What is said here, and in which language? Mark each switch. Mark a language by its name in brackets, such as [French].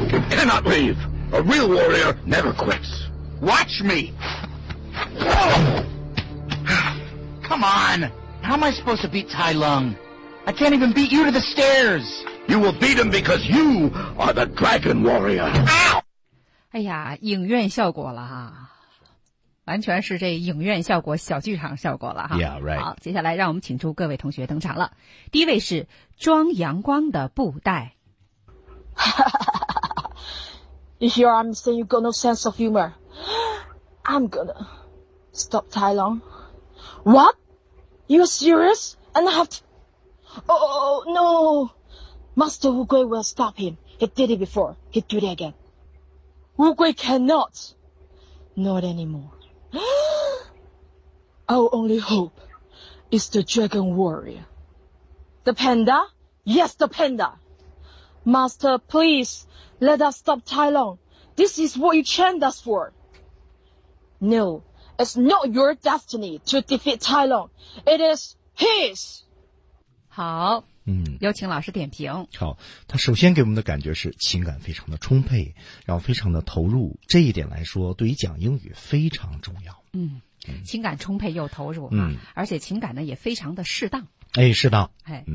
[English] Cannot leave. A real warrior never quits. Watch me. Come on. How am I supposed to beat Tai Lung? I can't even beat you to the stairs. You will beat him because you are the Dragon Warrior. [Chinese] 哎呀，影院效果了哈，完全是这影院效果，小剧场效果了哈。 [English] Yeah, right. [Chinese] 好，接下来让我们请出各位同学登场了。第一位是装阳光的布袋。 [English] Here I'm saying you got no sense of humor. I'm gonna stop Tai Lung. What? You're serious? And I have to... Oh, no! Master Oogway will stop him. He did it before. He'll do it again. Oogway cannot. Not anymore. Our only hope is the Dragon Warrior. The panda? Yes, the panda! Master, please, let us stop Tai Lung. This is what you trained us for. No, it's not your destiny to defeat Tai Lung. It is his. [Chinese] 好，有请老师点评。好，他首先给我们的感觉是情感非常的充沛，然后非常的投入。这一点来说，对于讲英语非常重要。情感充沛又投入，而且情感呢也非常的适当。哎，适当。哎，